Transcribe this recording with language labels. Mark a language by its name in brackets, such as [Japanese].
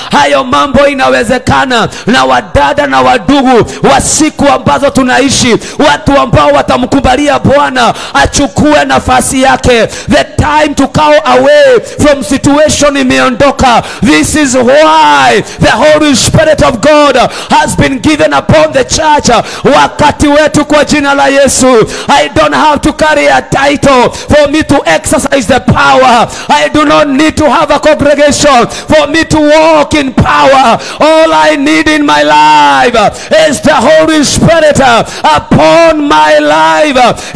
[Swahili] Hayo mambo inawezekana na wadada na wadugu wa siku ambazo tunaishi, watu ambao watamkubalia Bwana achukue nafasi yake. [English] The time to go away from situation [Swahili] imeondoka. [English] This is why the Holy Spirit of God has been given upon the church. [Swahili] Wakati wetu kwa jina la Yesu. [English] I don't have to carry a title for me to exercise the power. I do not need to have a congregation for me to walk in power. All I need in my life is the Holy Spirit upon my life.